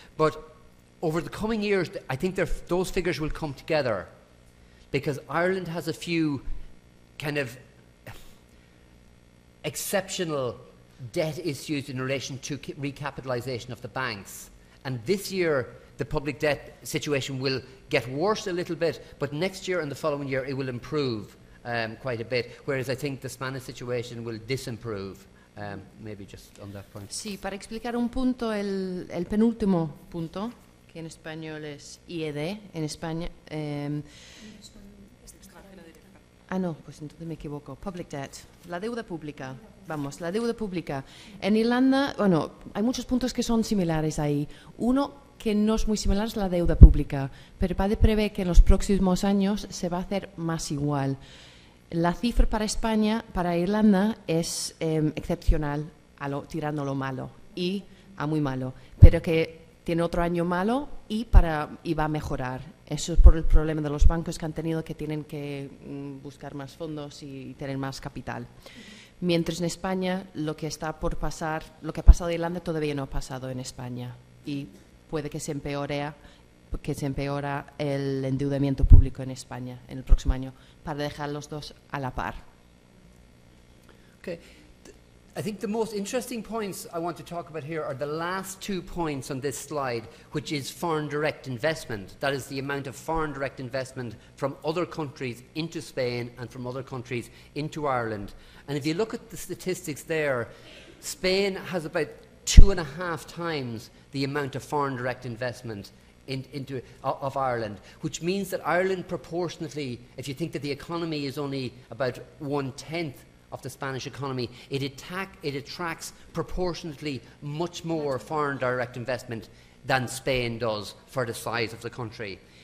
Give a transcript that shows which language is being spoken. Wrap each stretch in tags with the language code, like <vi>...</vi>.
<en>But over the coming years, I think those figures will come together, because Ireland has a few kind of exceptional debt issues in relation to recapitalization of the banks. And this year, the public debt situation will get worse a little bit, but next year and the following year, it will improve quite a bit, whereas I think the Spanish situation will disimprove. Maybe just on that point.</en> <es>Sí, para explicar un punto, el penúltimo punto, que en español es IED, en España... Ah, no, pues entonces me equivoco.</es> <en>Public debt.</en> <es>La deuda pública. Vamos, la deuda pública. En Irlanda, bueno, hay muchos puntos que son similares ahí. Uno que no es muy similar es la deuda pública. Pero PADE prevé que en los próximos años se va a hacer más igual. La cifra para España, para Irlanda, es excepcional, tirando lo malo y a muy malo. Pero que tiene otro año malo y va a mejorar. Eso es por el problema de los bancos que han tenido, que tienen que buscar más fondos y tener más capital. Mientras en España, lo que está por pasar, lo que ha pasado en Irlanda, todavía no ha pasado en España. Y puede que se empeore el endeudamiento público en España en el próximo año, para dejar los dos a la par.</es> <en>Okay. I think the most interesting points I want to talk about here are the last 2 points on this slide, which is foreign direct investment. That is the amount of foreign direct investment from other countries into Spain and from other countries into Ireland. And if you look at the statistics there, Spain has about 2.5 times the amount of foreign direct investment into Ireland, which means that Ireland proportionately, if you think that the economy is only about 1/10 of the Spanish economy, it attracts proportionately much more foreign direct investment than Spain does for the size of the country.</en>